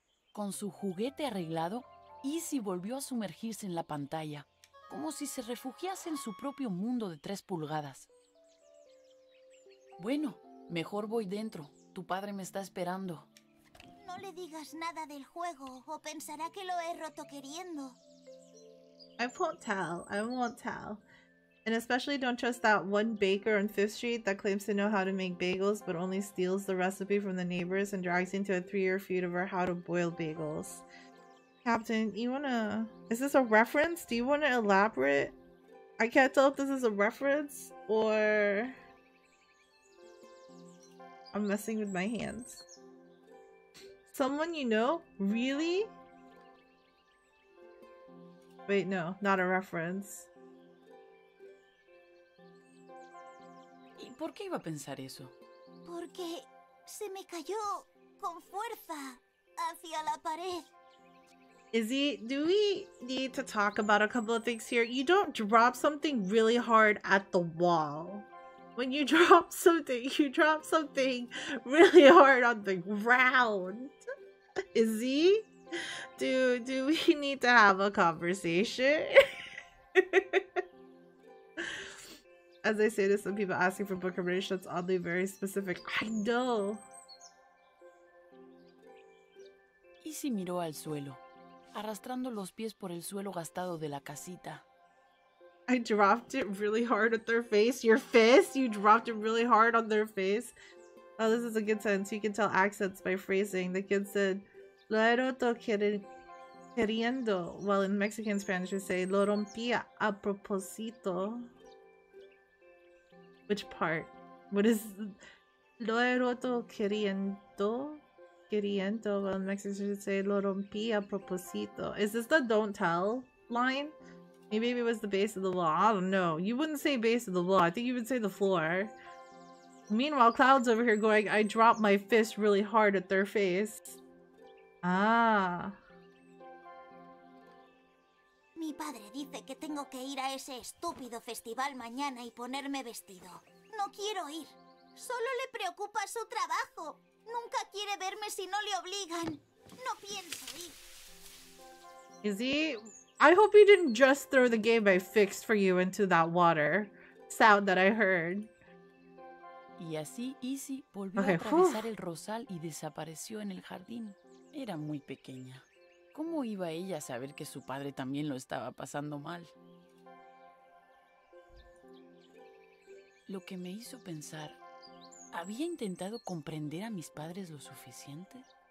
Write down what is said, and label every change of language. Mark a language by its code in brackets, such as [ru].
[es] Con su juguete arreglado, Izzy volvió a sumergirse en la pantalla, como si se refugiase en su propio mundo de 3 pulgadas. Bueno, mejor voy dentro. Tu padre me está esperando. No le digas nada del juego, o pensará que lo he roto queriendo. [en] I won't tell. And especially don't trust that one baker on 5th Street that claims to know how to make bagels but only steals the recipe from the neighbors and drags into a 3-year feud over how to boil bagels. Captain, is this a reference? Do you wanna elaborate? I can't tell if this is a reference or... I'm messing with my hands. Someone you know? Really? Wait, no, not a reference. [es] ¿Por qué iba a pensar eso? Porque se me cayó con fuerza hacia la pared. [en] Izzy, do we need to talk about a couple of things here? You don't drop something really hard at the wall. When you drop something really hard on the ground. Izzy, do we need to have a conversation? As I say to some people asking for book information, that's oddly very specific. I know! [es] Izzy miró al suelo, arrastrando los pies por el suelo gastado de la casita. [en] I dropped it really hard at their face. Your fist? You dropped it really hard on their face? Oh, this is a good sentence. You can tell accents by phrasing. The kid said, [es] Lo he roto queriendo. [en] Well, in Mexican Spanish, you say, [es] Lo rompí a propósito. [en] Which part? What is... [es] Lo he roto queriendo? Queriendo. [en] Well, in Mexican, you should say, [es] Lo rompí a propósito. [en] Is this the don't tell line? Maybe it was the base of the wall. I don't know. You wouldn't say base of the wall. I think you would say the floor. Meanwhile, Cloud's over here going, I dropped my fist really hard at their face. Ah. [es] Mi padre dice que tengo que ir a ese estúpido festival mañana y ponerme vestido. No quiero ir. Solo le preocupa su trabajo. Nunca quiere verme si no le obligan. No pienso ir. [en] Izzy, I hope you didn't just throw the game I fixed for you into that water sound that I heard. [es] Y así Izzy volvió a atravesar el rosal y desapareció en el jardín. Era muy pequeña. ¿Cómo iba ella a saber que su padre también lo estaba pasando mal? Lo que me hizo pensar, ¿había intentado comprender a mis padres lo suficiente?